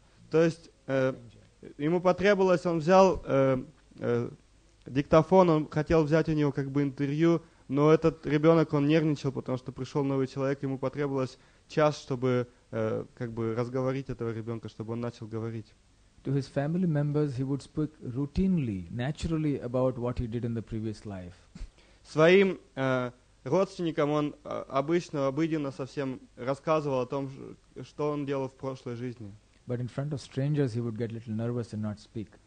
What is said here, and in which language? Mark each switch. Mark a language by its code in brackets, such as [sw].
[ru] То есть ему потребовалось, он взял диктофон, он хотел взять у него как бы интервью, но этот ребенок, он нервничал, потому что пришел новый человек, ему потребовалось час, чтобы как бы разговорить этого ребенка, чтобы он начал говорить. [en] To his family members, he would speak routinely, naturally about what he did in the previous life. [ru] Своим родственникам он обыденно совсем рассказывал о том, что он делал в прошлой жизни. [en] But in front of strangers, he would get a little nervous and not speak.